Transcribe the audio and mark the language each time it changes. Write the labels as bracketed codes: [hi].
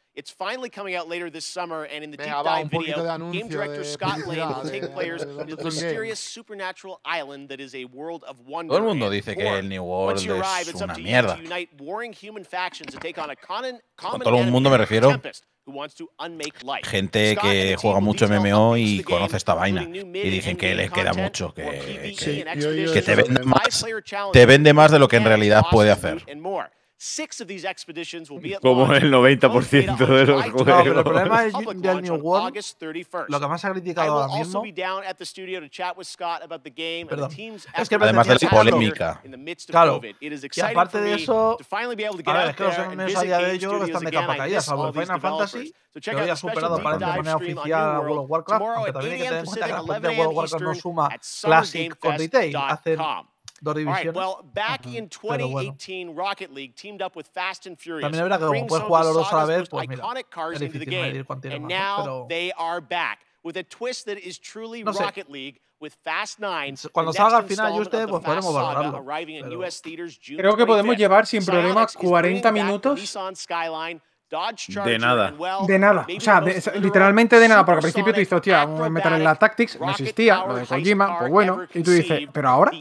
[en] It's finally coming out later this summer, and in the deep dive video, game director Scott Lane will take players to the mysterious supernatural island that is a world of wonder. [es] Todo el mundo dice que el New World es una mierda. [en] To unite warring human factions to take on a common enemy, Tempest. Who wants to unmake life. [es] Gente que juega mucho MMO y conoce esta vaina y dicen que les queda mucho que te vende más de lo que en realidad puede hacer. Como el 90% de los juegos. No, pero el problema es del New World. Lo que más ha criticado ahora mismo. Es que además de la polémica. Claro. Y aparte de eso. A ver, es que los MMOs a día de hoy yo creo que están de capa caída. Salvo Final Fantasy, que hoy ha superado para de manera oficial a World of Warcraft. Aunque también hay que tener en cuenta que la gente de World of Warcraft no suma Classic con Retail. Hacen. [en] Alright, well, back in 2018, Rocket League teamed up with Fast and Furious. [es] También es verdad que como puedes jugar a los dos a la vez, pues mira, [en] iconic cars into the game. And now they are back with a twist that is truly Rocket League with Fast 9. [es] Cuando salga al final, Juste, pues podemos valorarlo. [en] Arriving in US theaters June 25th. [es] Creo que podemos llevar sin problemas 40 minutos. De nada. De nada. O sea, literalmente de nada. Porque al principio tú dices, hostia, me meter en la Tactics, no existía, lo de Kojima, pues bueno. Y tú dices, pero ahora.